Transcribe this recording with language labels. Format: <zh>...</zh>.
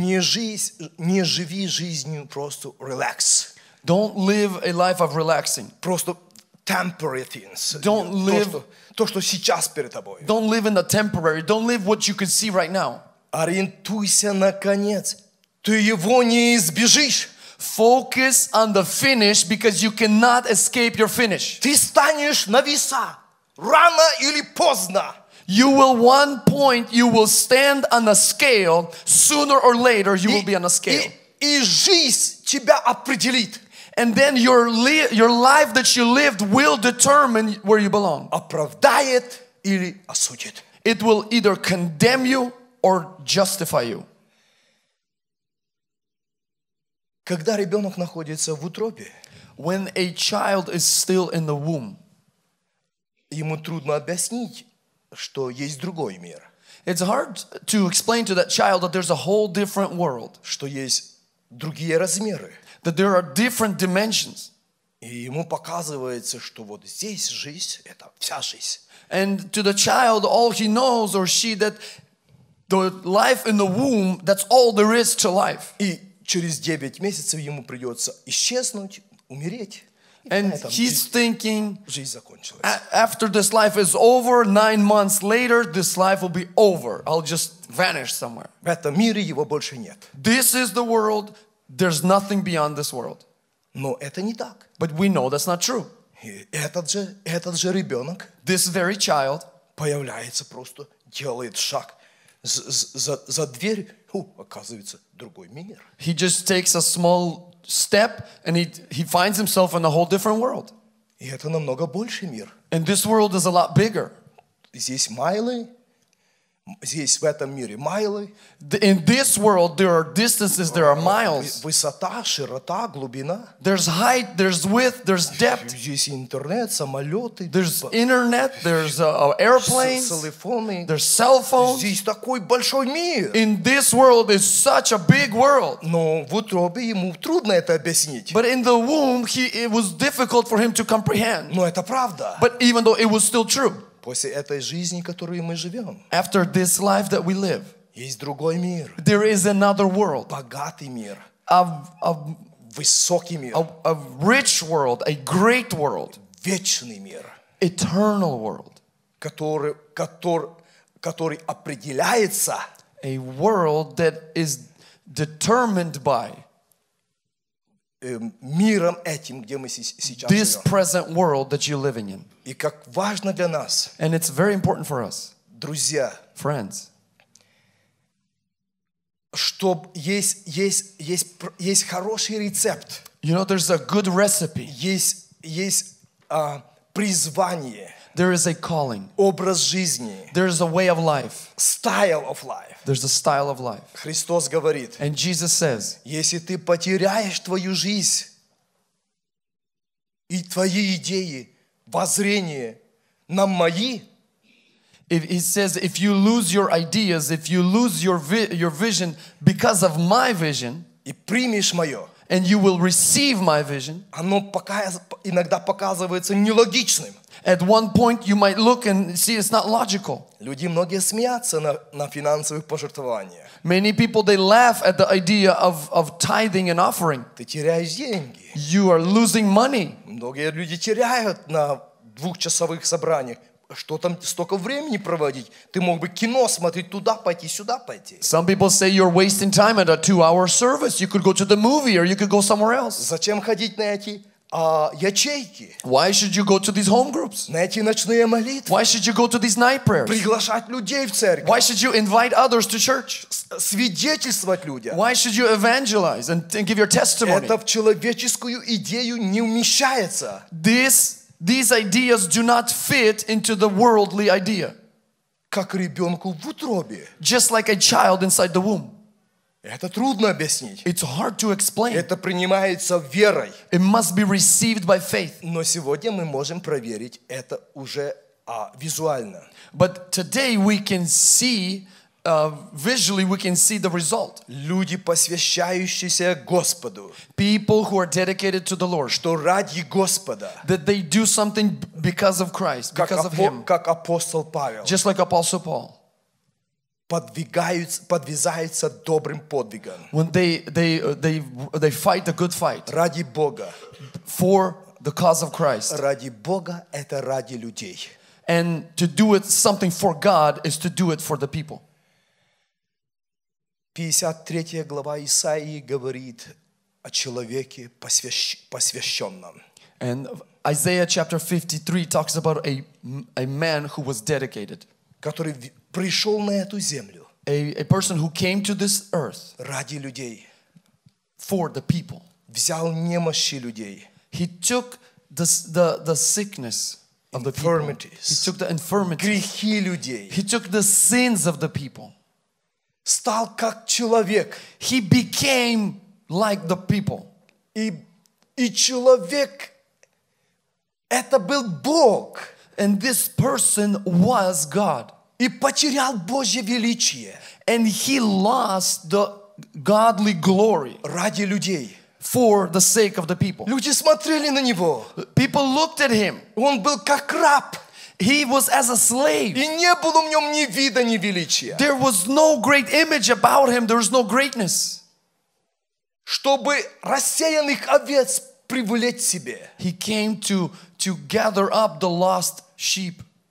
<ru>Не живи жизнью просто</ru> <en>relax. Don't live a life of relaxing.</en> <ru>Просто</ru> <en>temporary things. Don't live</en> <ru>то, что сейчас перед тобой.</ru> <en>Don't live in the temporary. Don't live what you can see right now.</en> <ru>Ориентуйся на конец. Ты его не избежишь.</ru> <en>Focus on the finish because you cannot escape your finish.</en> <ru>Ты станешь на веса. Рано или поздно.</ru> <en>You will one point, you will stand on a scale. Sooner or later, you will be on a scale.</en> <ru>И жизнь тебя определит.</ru> <en>And then your life that you lived will determine where you belong.</en> <ru>Оправдает или осудит.</ru> <en>It will either condemn you or justify you.</en> <ru>Когда ребенок находится в утробе,</ru> <en>when a child is still in the womb,</en> <ru>ему трудно объяснить, что есть другой мир.</ru> <en>It's hard to explain to that child that there's a whole different world.</en> <ru>Что есть другие размеры.</ru> <en>That there are different dimensions.</en> <ru>И ему показывается, что вот здесь жизнь, это вся жизнь.</ru> <en>And to the child, all he knows or she that the life in the womb, that's all there is to life.</en> <ru>И через 9 месяцев ему придется исчезнуть, умереть.</ru> <en>And he's thinking, after this life is over, 9 months later, this life will be over. I'll just vanish somewhere.</en> <ru>В этом мире его больше нет.</ru> <en>This is the world. There's nothing beyond this world.</en> <ru>Но это не так.</ru> <en>But we know that's not true.</en> <ru>Этот же ребенок,</ru> <en>this very child,</en> <ru>появляется просто, делает шаг за дверь. Оказывается, другой мир.</ru> <en>He just takes a small step and he finds himself in a whole different world.</en> <ru>И это намного больше мир.</ru> <en>And this world is a lot bigger.</en> <ru>Здесь майлы, здесь в этом мире майлы.</ru> <en>In this world there are distances, there are miles.</en> <ru>Высота, широта, глубина.</ru> <en>There's height, there's width, there's depth.</en> <ru>Здесь интернет, самолеты.</ru> <en>There's internet, there's airplanes.</en> <ru>Телефоны.</ru> <en>There's cell phones.</en> <ru>Здесь такой большой мир.</ru> <en>In this world is such a big world.</en> <ru>Но в утробе ему трудно это объяснить.</ru> <en>But in the womb it was difficult for him to comprehend.</en> <ru>Но это правда.</ru> <en>But even though it was still true.</en> <ru>После этой жизни, которую мы живем.</ru> <en>After this life that we live.</en> <ru>Есть другой мир.</ru> <en>There is another world.</en> <ru>Богатый мир.</ru> <en>A</en> <ru>высокий мир.</ru> <en>A rich world, a great world.</en> <ru>Вечный мир.</ru> <en>Eternal world.</en> <ru>Который определяется.</ru> <en>A world that is determined by.</en> <ru>Миром этим, где мы сейчас</ru> <en>this</en> <ru>живем.</ru> <en>This present world that you're living in.</en> <ru>И как важно для нас.</ru> <en>And it's very important for us.</en> <ru>Друзья.</ru> <en>Friends.</en> <ru>Чтоб есть хороший рецепт.</ru> <en>You know, there's a good recipe.</en> <ru>Есть призвание.</ru> <en>There is a calling.</en> <ru>Образ жизни.</ru> <en>There is a way of life. Style of life. There's a style of life.</en> <ru>Христос говорит.</ru> <en>And Jesus says.</en> <ru>Если ты потеряешь твою жизнь и твои идеи, воззрение на мои.</ru> <en>If he says, if you lose your ideas, if you lose your vision because of my vision,</en> <ru>и примешь мое,</ru> <en>and you will receive my vision,</en> <ru>оно пока иногда показывается нелогичным.</ru> <en>At one point you might look and see it's not logical.</en> <ru>Люди многие смеются на финансовых пожертвованиях.</ru> <en>Many people they laugh at the idea of tithing and offering.</en> <ru>Ты теряешь деньги.</ru> <en>You are losing money.</en> <ru>Многие люди теряют на двухчасовых собраниях. Что там столько времени проводить? Ты мог бы кино смотреть, туда пойти, сюда пойти.</ru> <en>Some people say you're wasting time at a 2-hour service. You could go to the movie or you could go somewhere else.</en> <ru>Зачем ходить на эти ячейки?</ru> <en>Why should you go to these home groups?</en> <ru>На эти ночные молитвы?</ru> <en>Why should you go to these night prayers?</en> <ru>Приглашать людей в церковь?</ru> <en>Why should you invite others to church?</en> <ru>Свидетельствовать людям?</ru> <en>Why should you evangelize and give your testimony?</en> <ru>Это в человеческую идею не умещается.</ru> <en>These ideas do not fit into the worldly idea.</en> <ru>Как ребенку в утробе.</ru> <en>Just like a child inside the womb.</en> <ru>Это трудно объяснить.</ru> <en>It's hard to explain.</en> <ru>Это принимается верой.</ru> <en>It must be received by faith.</en> <ru>Но сегодня мы можем проверить это уже визуально.</ru> <en>But today we can see Visually, we can see the result.</en> <ru>Люди, посвящающиеся Господу,</ru> <en>people who are dedicated to the Lord,</en> <ru>что ради Господа,</ru> <en>that they do something because of Christ, because of Him,</en> <ru>как апостол Павел,</ru> <en>just like Apostle Paul,</en> <ru>подвязаются добрым подвигом.</ru> <en>When they fight a good fight,</en> <ru>ради Бога,</ru> <en>for the cause of Christ,</en> <ru>ради Бога это ради людей.</ru> <en>And to do it something for God is to do it for the people.</en> <ru>53 глава Исаии говорит о человеке посвященном.</ru> <en>And Isaiah chapter 53 talks about a man who was dedicated.</en> <ru>Который пришел на эту землю.</ru> <en>A person who came to this earth.</en> <ru>Ради людей.</ru> <en>For the people.</en> <ru>Взял немощи людей.</ru> <en>He took the sickness of the people. He took the infirmities.</en> <ru>Грехи людей.</ru> <en>He took the sins of the people.</en> <ru>Стал как человек.</ru> <en>He became like the people.</en> <ru>И человек это был Бог.</ru> <en>And this person was God.</en> <ru>И потерял Божье величие.</ru> <en>And he lost the godly glory.</en> <ru>Ради людей.</ru> <en>For the sake of the people.</en> <ru>Люди смотрели на него.</ru> <en>People looked at him.</en> <ru>Он был как раб.</ru> <en>He was as a slave.</en> <ru>И не было в нем ни вида, ни величия.</ru> <en>There was no great image about him. There was no greatness.</en> <ru>Чтобы рассеянных овец привлечь себе.</ru> <en>He came to gather up the lost sheep.</en>